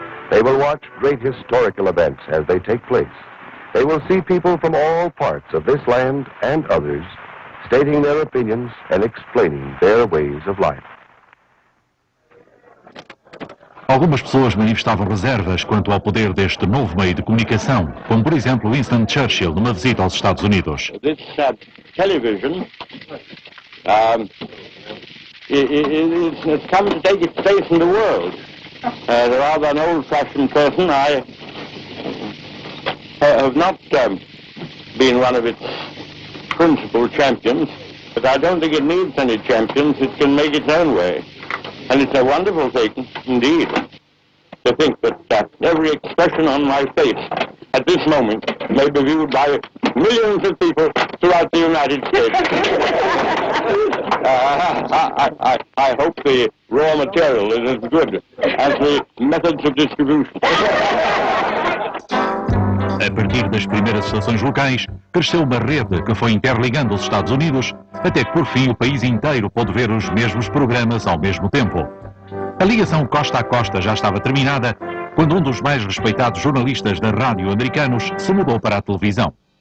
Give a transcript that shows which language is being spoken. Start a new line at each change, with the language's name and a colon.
English: They will watch great historical events as they take place. They will see people from all parts of this land and others stating their opinions and explaining their ways of life.
Portuguese: Algumas pessoas manifestavam reservas quanto ao poder deste novo meio de comunicação, como por exemplo Winston Churchill numa visita aos Estados Unidos.
English: This television is coming to take its place in the world. Rather an old-fashioned person, I have not been one of its principal champions, but I don't think it needs any champions. It can make its own way. And it's a wonderful thing, indeed, to think that every expression on my face at this moment may be viewed by millions of people throughout the United States. I hope the raw material is as good as the methods of distribution.
Portuguese: A partir das primeiras associações locais, cresceu uma rede que foi interligando os Estados Unidos, até que por fim o país inteiro pôde ver os mesmos programas ao mesmo tempo. A ligação costa a costa já estava terminada quando um dos mais respeitados jornalistas da rádio americanos se mudou para a televisão.